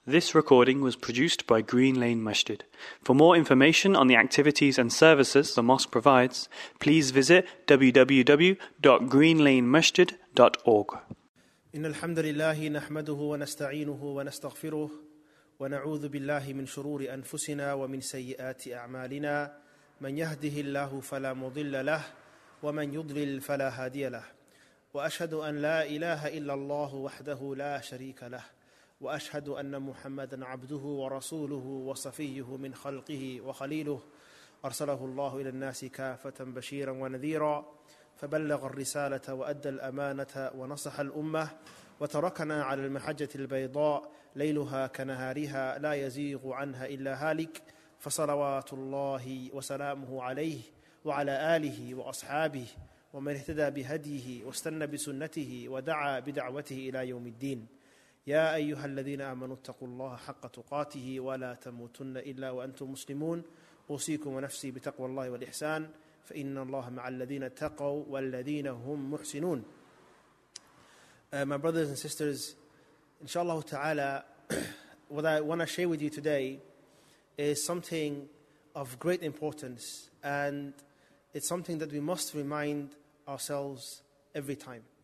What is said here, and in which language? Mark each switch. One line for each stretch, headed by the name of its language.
English: This recording was produced by Green Lane Masjid. For more information on the activities and services the mosque provides, please visit www.greenlanemasjid.org.
Arabic: إن الحمد لله نحمده ونستعينه ونستغفره ونعوذ بالله من شرور أنفسنا ومن سيئات أعمالنا من يهده الله فلا مضل له ومن يضلل فلا هادي له وأشهد أن لا إله إلا الله وحده لا شريك له وأشهد أن محمدًا عبده ورسوله وصفيه من خلقه وخليله أرسله الله إلى الناس كافة بشيرا ونذيرا فبلغ الرسالة وأدى الأمانة ونصح الأمة وتركنا على المحجة البيضاء ليلها كنهارها لا يزيغ عنها إلا هالك فصلوات الله وسلامه عليه وعلى آله وأصحابه ومن اهتدى بهديه واستنى بسنته ودعا بدعوته إلى يوم الدين يا أيها الذين آمنوا اتقوا الله حق تقاته ولا تموتن إلا وأنتم مسلمون أوصيكم ونفسي بتقوى الله والإحسان فإن الله مع الذين تقوا والذين هم محسنون.
English: My brothers and sisters, inshallah ta'ala, what I want to share with you today is something of great importance, and it's something that we must remind ourselves every time.